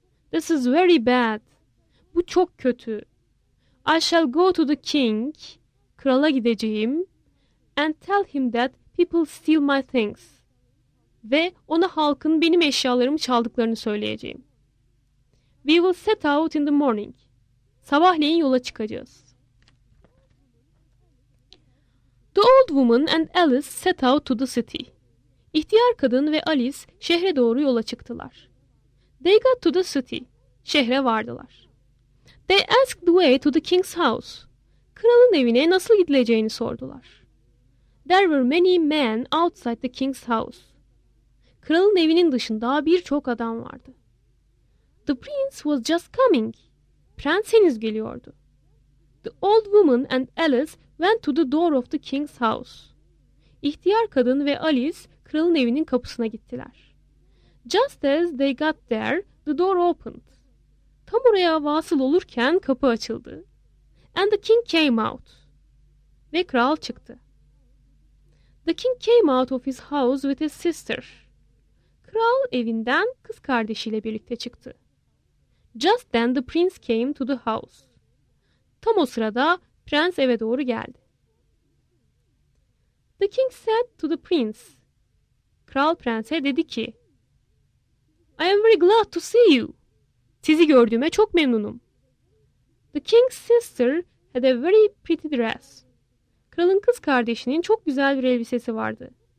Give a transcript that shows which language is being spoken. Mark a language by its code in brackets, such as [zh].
[en] This is very bad. [tr] Bu çok kötü. [en] I shall go to the king, [tr] krala gideceğim, [en] and tell him that people steal my things. [tr] Ve ona halkın benim eşyalarımı çaldıklarını söyleyeceğim. [en] We will set out in the morning. [tr] Sabahleyin yola çıkacağız. [en] The old woman and Alice set out to the city. [tr] İhtiyar kadın ve Alice şehre doğru yola çıktılar. [en] They got to the city. [tr] Şehre vardılar. [en] They asked the way to the king's house. [tr] Kralın evine nasıl gidileceğini sordular. [en] There were many men outside the king's house. [tr] Kralın evinin dışında birçok adam vardı. [en] The prince was just coming. [tr] Prens henüz geliyordu. [en] The old woman and Alice went to the door of the king's house. [tr] İhtiyar kadın ve Alice kralın evinin kapısına gittiler. [en] Just as they got there, the door opened. [tr] Tam oraya vasıl olurken kapı açıldı. [en] And the king came out. [tr] Ve kral çıktı. [en] The king came out of his house with his sister. [tr] Kral evinden kız kardeşiyle birlikte çıktı. [en] Just then the prince came to the house. [tr] Tam o sırada prens eve doğru geldi. [en] The king said to the prince. [tr] Kral prense dedi ki, [en] I am very glad to see you. [tr] Sizi gördüğüme çok memnunum. [en] The king's sister had a very pretty dress. [tr] Kralın kız kardeşinin çok güzel bir elbisesi vardı.